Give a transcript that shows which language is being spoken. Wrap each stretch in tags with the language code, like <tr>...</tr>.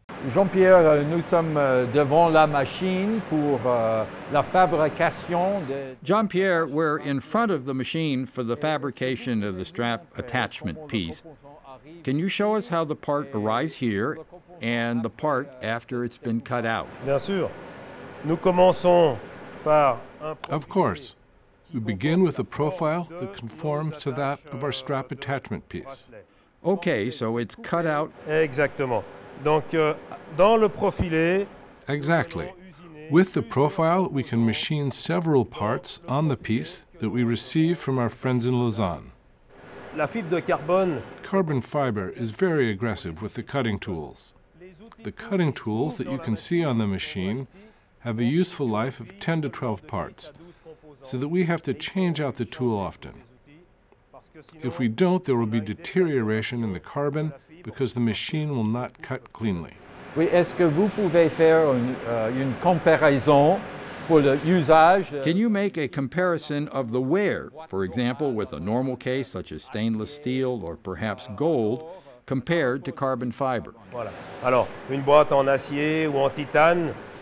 <fr>Jean-Pierre, nous sommes devant la machine pour la fabrication de...</fr> <en>Jean-Pierre, we're in front of the machine for the fabrication of the strap attachment piece. Can you show us how the part arrives here and the part after it's been cut out?</en> <fr>Bien sûr. Nous commençons par...</fr> <en>Of course. We begin with a profile that conforms to that of our strap attachment piece. Okay, so it's cut out...</en> <fr>Exactement. Donc, dans le profilé...</fr> <en>Exactly. With the profile, we can machine several parts on the piece that we receive from our friends in Lausanne.</en> <fr>La fibre de carbone...</fr> <en>Carbon fiber is very aggressive with the cutting tools. The cutting tools that you can see on the machine have a useful life of 10 to 12 parts, so that we have to change out the tool often. If we don't, there will be deterioration in the carbon because the machine will not cut cleanly.</en> <fr>Oui, est-ce que vous pouvez faire une comparaison pour l'usage?</fr> <en>Can you make a comparison of the wear, for example, with a normal case such as stainless steel or perhaps gold, compared to carbon fiber?</en> <fr>Voilà. Alors, une boîte en acier ou en titane.</fr>